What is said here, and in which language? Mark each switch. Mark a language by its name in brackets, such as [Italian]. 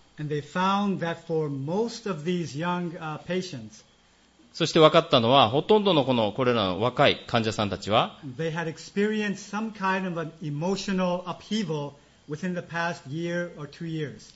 [English] And they found that for most of these young patients, [Japanese] そして分かったのは、ほとんどのこのこれらの若い患者さんたちは、 [English] they had experienced some kind of an emotional upheaval within the past year or two years.